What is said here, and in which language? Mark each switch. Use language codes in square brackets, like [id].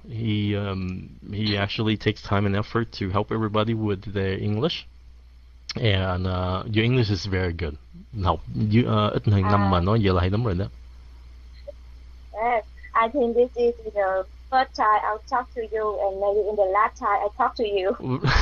[en] He actually takes time and effort to help everybody with their English. And your English is very good. [vi] Học như ít hơn năm mà nói giờ là hay lắm rồi đó. [en] Yeah, I think this is the first time I'll talk to you and maybe in the last time I talk to you.